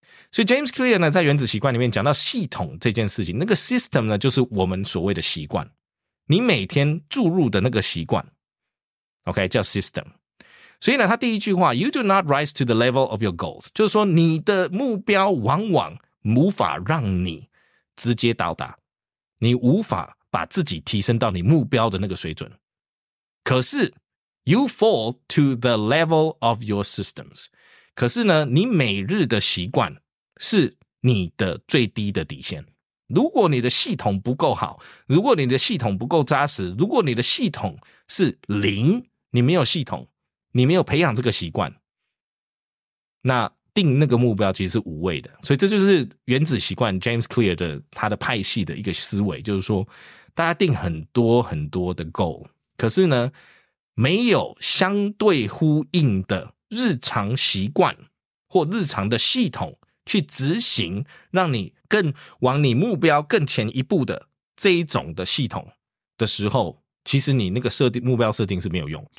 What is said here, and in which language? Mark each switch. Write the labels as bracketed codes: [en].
[zh] 所以 James Clear 呢，在原子习惯里面讲到系统这件事情，那个 system 呢，就是我们所谓的习惯，你每天注入的那个习惯 ，OK 叫 system。所以呢，他第一句话 ， [en] You do not rise to the level of your goals， [zh] 就是说你的目标往往无法让你直接到达，你无法把自己提升到你目标的那个水准。可是 ， [en] You fall to the level of your systems， [zh] 可是呢，你每日的习惯。是你的最低的底线。如果你的系统不够好，如果你的系统不够扎实，如果你的系统是零，你没有系统，你没有培养这个习惯，那定那个目标其实是无谓的。所以这就是原子习惯 James Clear 的他的派系的一个思维，就是说大家定很多很多的 goal， 可是呢没有相对呼应的日常习惯或日常的系统去执行，让你更往你目标更前一步的这一种的系统的时候，其实你那个设定目标设定是没有用。